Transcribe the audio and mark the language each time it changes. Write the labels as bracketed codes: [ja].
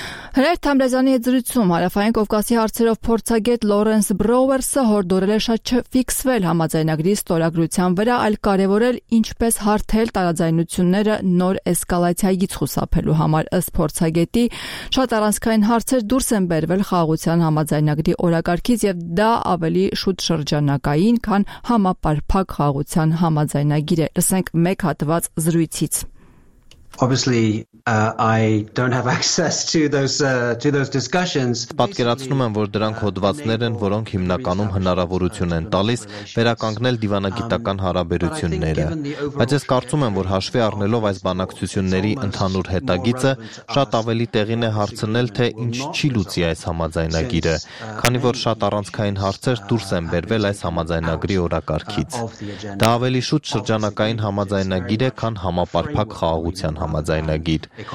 [hy] Հրանտ Համբրեզյանի հետ զրույցում Հարավային Կովկասի հարցերով փորձագետ Լորենս Բրոուերսը հորդորել է շատ չֆիքսվել համաձայնագրի ստորագրության վրա, այլ կարևորել ինչպես հարթել տարաձայնությունները նոր էսկալացիայից խուսափելու համար։ Ըստ փորձագետի, շատ առանցքային հարցեր դուրս են բերվել խաղաղության համաձայնագրի օրակարգից, և դա ավելի շուտ շրջանակային, քան համապարփակ խաղաղության համաձայնագիր է։ Լսենք մեկ հատված զրույցից։ [en] Obviously, I don't have access to those discussions. [hy] Պատկերացնում եմ, որ դրանք հոդվածներ են, որոնք հիմնականում հնարավորություն են տալիս վերականգնել դիվանագիտական հարաբերությունները, բայց ես կարծում եմ, որ հաշվի առնելով այս բանակցությունների ընդհանուր հետագիծը, շատ ավելի տեղին է հարցնել, թե ինչ չի լուծի այս համաձայնագիրը, քանի որ շատ առանցքային հարցեր դուրս են բերվել այս համաձայնագրի օրակարգից։ Դա ավելի շուտ շրջանակային համաձայնագիր է, քան համապարփակ խաղաղության համաձայնագիր։